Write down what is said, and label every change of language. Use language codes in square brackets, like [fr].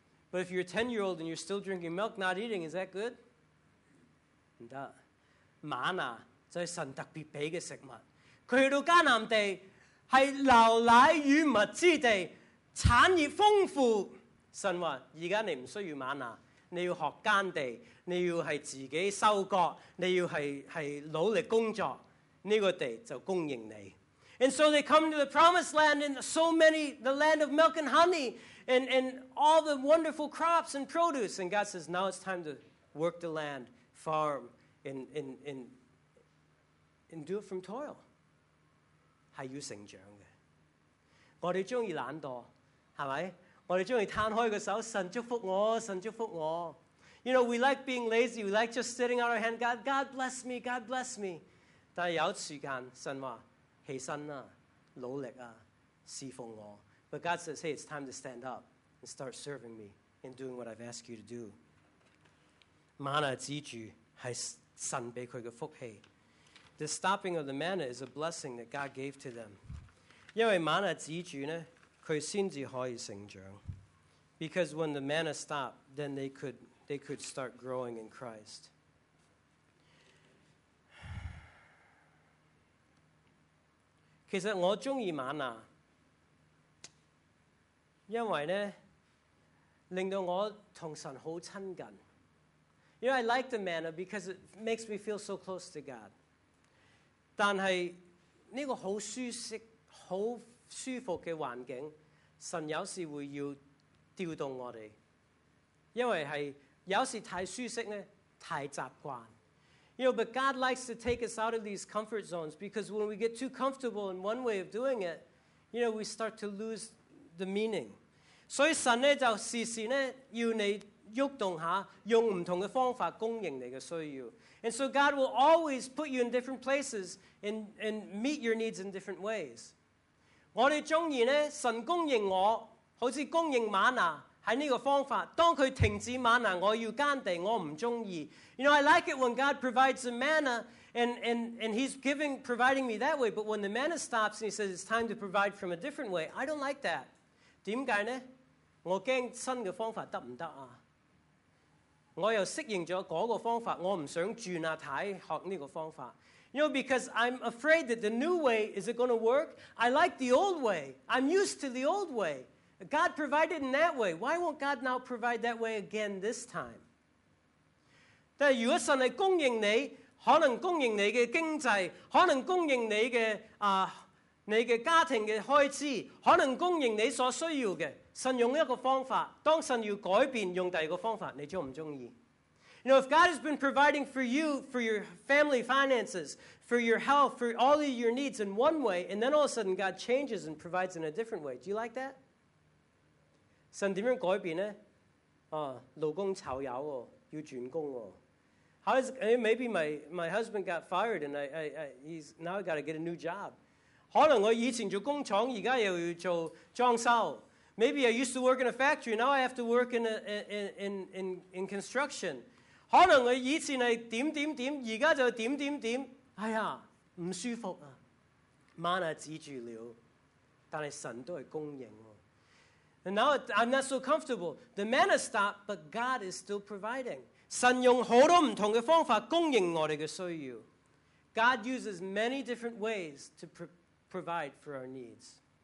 [en] But if you're a 10-year-old and you're still drinking milk, not eating, is that good? [yue] 唔得，瑪納就係神特別俾嘅食物。佢去到迦南地係流奶與蜜之地，產業豐富。神話：而家你唔需要瑪納，你要學耕地，你要係自己收割，你要係努力工作，這個地就供應你。 [en] And so they come to the promised land, and so many, the land of milk and honey, and all the wonderful crops and produce. And God says, now it's time to work the land, farm, and do it from toil. [yue] 是要成長的。我們喜歡懶惰，是不是？我們喜歡攤開個手，神祝福我，神祝福我。 [en] You know, we like being lazy, we like just sitting on our hand, God bless me, God bless me. [yue] 但有時間，神說，起身啊，努力啊，侍奉我。 [en] But God says, hey, it's time to stand up and start serving me and doing what I've asked you to do. [yue] 瑪納止住是神給他的福氣。 [en] The stopping of the manna is a blessing that God gave to them. [yue] 因為瑪納止住呢，他才可以成長。 [en] Because when the manna stopped, then they could start growing in Christ. [yue] 其實我喜歡瑪納，因為呢，令到我跟神很親近。 [en] You know, I like the manna because it makes me feel so close to God. [yue] 但是這個很舒適、很舒服的環境，神有時會要調動我們，因為是有時太舒適呢，太習慣。 [en] You know, but God likes to take us out of these comfort zones because when we get too comfortable in one way of doing it, you know, we start to lose the meaning. [yue] 所以神呢就時時呢要你動動下，用唔同嘅方法供應你嘅需要。 [en] And so God will always put you in different places and meet your needs in different ways. [yue] 我哋中意咧，神供應我，好似供應瑪拿喺呢個方法。當佢停止瑪拿，我要耕地，我唔中意。 [en] You know, I like it when God provides the manna. And he's giving, providing me that way. But when the manna stops and he says it's time to provide from a different way, I don't like that. [yue] 點解呢？我驚新嘅方法得唔得啊？我又適應咗嗰個方法，我唔想轉啊，睇學呢個方法。 [en] You know, because I'm afraid that the new way, is it going to work? I like the old way. I'm used to the old way. God provided in that way. Why won't God now provide that way again this time? [yue] 但如果神係供應你，可能供應你嘅經濟，可能供應你嘅你嘅家庭嘅開支，可能供應你所需要嘅。神用一個方法，當神要改變，用第二個方法，你中唔中意？ [en] You know, if God has been providing for you, for your family finances, for your health, for all of your needs in one way, and then all of a sudden God changes and provides in a different way. Do you like that? [yue] 神點樣改變呢？勞工炒油喎，要轉工喎。 [en] Maybe my husband got fired and he's now got to get a new job. [yue] 可能我以前做工厂，而家又要做装修。 [en] Maybe I used to work in a factory, now I have to work in construction. [yue] 可能我以前系点点点，而家就点点点。哎呀，唔舒服啊！玛拿止住了，但系神都系供应。 [en] And now I'm not so comfortable. The manna stopped, but God is still providing. [yue] 神用好多唔同嘅方法供应我哋嘅需要。 [en] God uses many different ways to provide for our needs.